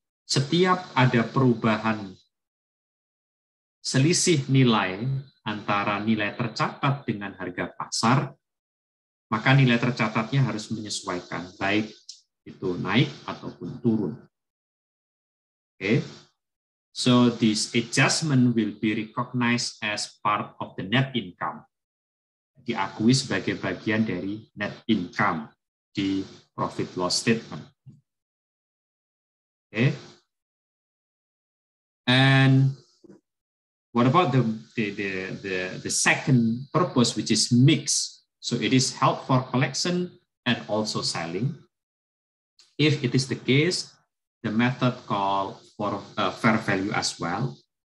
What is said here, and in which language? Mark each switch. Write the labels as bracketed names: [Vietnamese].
[Indonesian] Setiap ada perubahan selisih nilai antara nilai tercatat dengan harga pasar, maka nilai tercatatnya harus menyesuaikan, baik itu naik ataupun turun. [English] Okay. So this adjustment will be recognized as part of the net income. [Indonesian] Diakui sebagai bagian dari net income di profit loss statement. [English] Okay. And what about the second purpose, which is mix? So it is help for collection and also selling. If it is the case, the method called for fair value as well.